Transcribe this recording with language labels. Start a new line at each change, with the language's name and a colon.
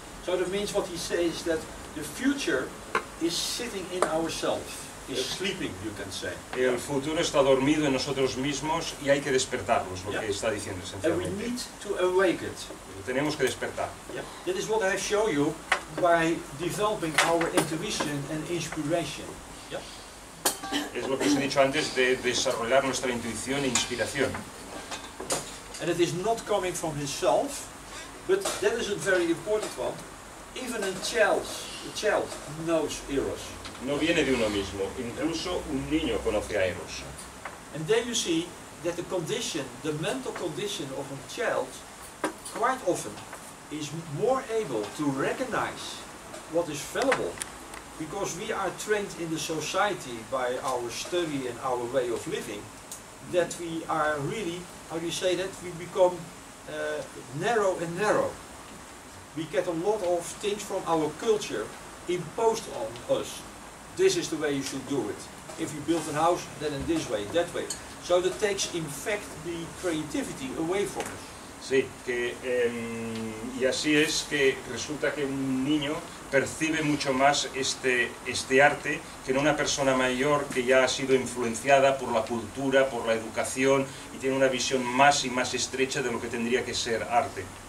English: So that means what he says that the future is sitting in ourselves, is sleeping, you can say.
Spanish: El futuro está dormido en nosotros mismos y hay que despertarlos, lo que está diciendo esencialmente.
English: And we need to awake it.
Spanish: Tenemos que despertar.
English: Yeah. That is what I show you by developing our intuition and inspiration. Yeah.
Spanish: Es lo que os he dicho antes de desarrollar nuestra intuición e inspiración.
English: And it is not coming from himself, but that is a very important one. Even a child knows Eros.
Spanish: No viene de uno mismo. Incluso un niño conoce a Eros.
English: And there you see that the condition, the mental condition of a child, quite often is more able to recognize what is fallible, because we are trained in the society by our study and our way of living, that we are really, how do you say that, we become narrow and narrow. We get a lot of things from our culture imposed on us. This is the way you should do it. If you build a house, then in this way, that way. So that takes, in fact, the creativity away from us.
Spanish: Sí, que y así es que resulta que un niño percibe mucho más este arte que en una persona mayor que ya ha sido influenciada por la cultura, por la educación y tiene una visión más y más estrecha de lo que tendría que ser arte.